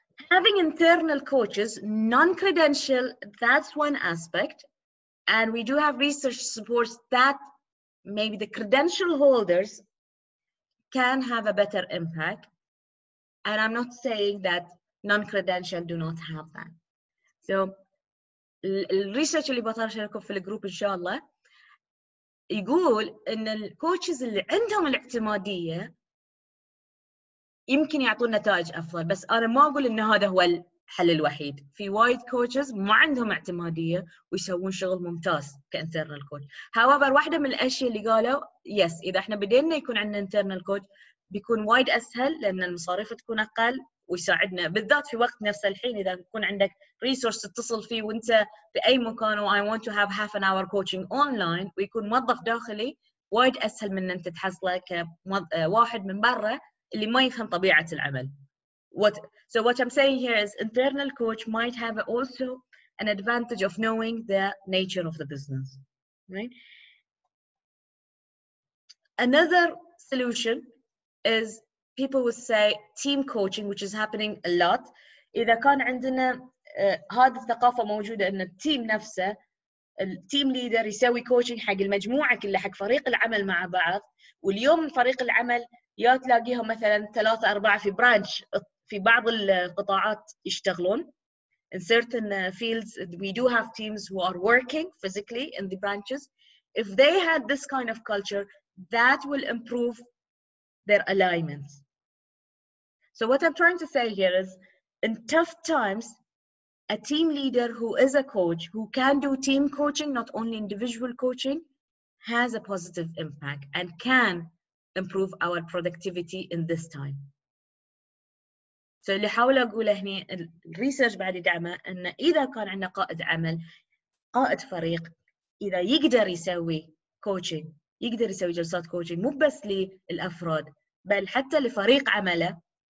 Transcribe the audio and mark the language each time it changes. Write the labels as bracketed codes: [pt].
[en] Having internal coaches, non-credential, that's one aspect. And we do have research supports that maybe the credential holders can have a better impact. And I'm not saying that non-credential do not have that. So research [ar] اللي بطار شاركوا في الجروب إن شاء الله يقول ان الكوتشز اللي عندهم الاعتماديه يمكن يعطون نتائج افضل، بس انا ما اقول ان هذا هو الحل الوحيد. في وايد كوتشز ما عندهم اعتماديه ويسوون شغل ممتاز كانترنال كوتش. هاوفر، واحده من الاشياء اللي قالوا يس، اذا احنا بدينا يكون عندنا انترنال كوتش بيكون وايد اسهل، لان المصاريف تكون اقل ويساعدنا بالذات في وقت نفس الحين اذا يكون عندك ريسورس تتصل فيه وانت باي مكان. [en] I want to have half an hour coaching online، [ar] ويكون موظف داخلي وايد اسهل من انت تحصله كواحد من برا اللي ما يفهم طبيعه العمل. [en] So what I'm saying here is internal coach might have also an advantage of knowing the nature of the business. Right? Another solution is people would say team coaching, which is happening a lot. [ar] إذا كان عندنا هذه الثقافة موجودة إن التيم نفسه التيم ليدر يسوي كوتشنج حق المجموعة كلها، حق فريق العمل مع بعض، واليوم فريق العمل يا تلاقيهم مثلاً 3-4 في برانش في بعض القطاعات يشتغلون. [en] In certain fields, we do have teams who are working physically in the branches. If they had this kind of culture, that will improve their alignment. So what I'm trying to say here is, in tough times, a team leader who is a coach, who can do team coaching, not only individual coaching, has a positive impact and can improve our productivity in this time. So [ar] اللي حاول أقوله هني الريسيرش بعد دعمه أن إذا كان عندنا قائد عمل، قائد فريق، إذا يقدر يسوي coaching، يقدر يسوي جلسات coaching مو بس للأفراد بل حتى لفريق عمله.